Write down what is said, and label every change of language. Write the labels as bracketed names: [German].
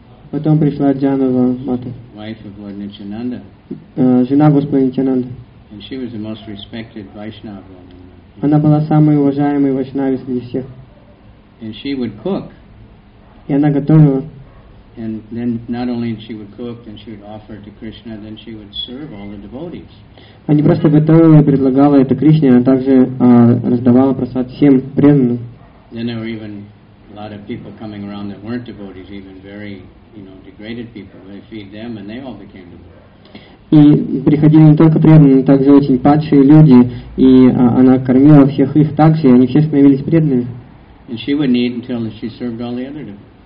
[Russian] Потом пришла Джанава Мата. [English] Wife of Lord Nityananda. [Russian] Жена Господа Нитянанды. [English] And she was the most respected Vaishnava. [Russian] Она была самой уважаемой Вайшнавой среди всех. [English] And she would cook. [Russian] И она готовила. [English] And then not only she would cook, then she would offer to Krishna, then she would serve all the devotees. [Russian] Она не просто готовила и предлагала это Кришне, она также раздавала просад всем преданным. [English] Then there were even a lot of people coming around that weren't devotees, even very, you know, degraded people. They feed them, and they all became devotees. [Russian] И приходили не только преданные, но также очень падшие люди, и она кормила всех их также, и они все становились преданными. [English] And she wouldn't eat until she served all the other devotees.